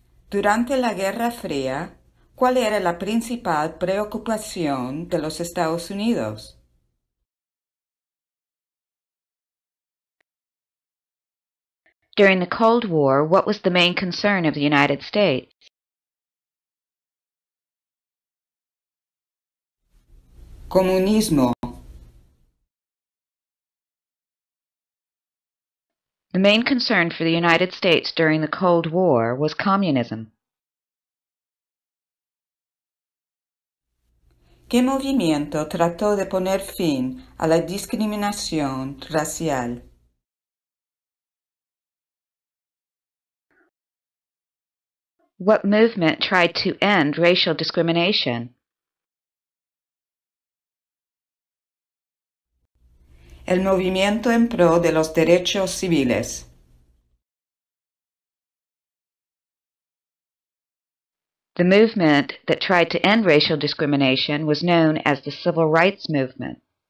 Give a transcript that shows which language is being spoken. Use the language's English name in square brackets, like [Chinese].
[Spanish] Durante la Guerra Fría, ¿cuál era la principal preocupación de los Estados Unidos? [English] During the Cold War, what was the main concern of the United States? [Spanish] Comunismo. [English] The main concern for the United States during the Cold War was communism. [Spanish] ¿Qué movimiento trató de poner fin a la discriminación racial? [English] What movement tried to end racial discrimination? [Spanish] El movimiento en pro de los derechos civiles. [English] The movement that tried to end racial discrimination was known as the Civil Rights Movement.